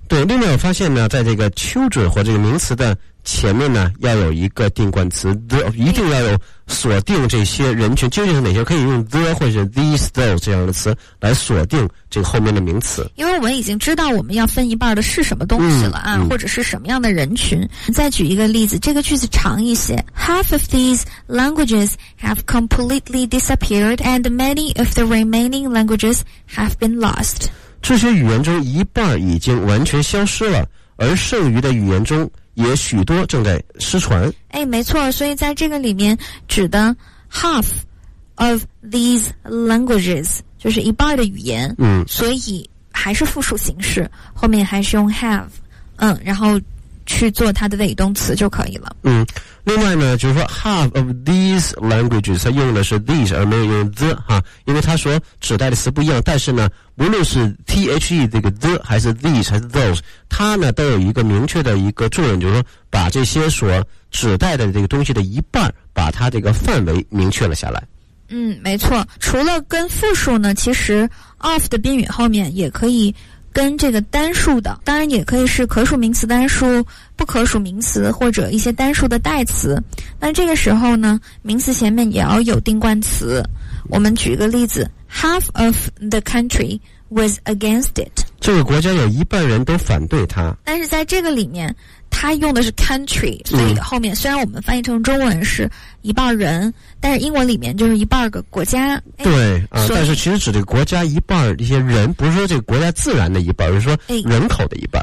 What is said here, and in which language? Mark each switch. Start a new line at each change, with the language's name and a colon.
Chinese: 对，另外我发现呢，在这个 children 或这个名词的前面呢要有一个定冠词 the， 一定要有锁定这些人群究竟是哪些，可以用 the 或者 these those 这样的词来锁定这个后面的名词。因为我们已经知道我们要分一半的是什么东西了啊、嗯嗯、或者是什么样的人群。再举一个例子，这个句子长一些。
English: Half of these languages have completely disappeared and many of the remaining languages have been lost。
Chinese: 这些语言中一半已经完全消失了，而剩余的语言中也许多正在失传。哎，没错，所以在这个里面指的
English: half of these languages
Chinese: 就是一半的语言。嗯，所以还是复数形式，后面还是用 have， 嗯，然后去做它的谓语动词就可以了。嗯，另外呢，就是说
English: half of these languages
Chinese: 它用的是 these 而没有用 the 哈，因为它所指代的词不一样，但是呢，无论是 the 这个 the 还是 these 还是 those， 它呢都有一个明确的一个作用，就是说把这些所指代的这个东西的一半，把它这个范围明确了下来。嗯，没错，除了跟复数呢，其实 of 的宾语后面也可以跟这个单数的，当然也可以是可数名词单数、不可数名词或者一些单数的代词。那这个时候呢，名词前面也要有定冠词。我们举一个例子
English: ，Half of the country was against it。
Chinese: 这个国家有一半人都反对它。但是在这个里面，它用的是 country， 所以后面、嗯、虽然我们翻译成中文是一半人，但是英文里面就是一半个国家。哎、对啊，但是其实指这个国家一半的一些人，不是说这个国家自然的一半，而是说人口的一半、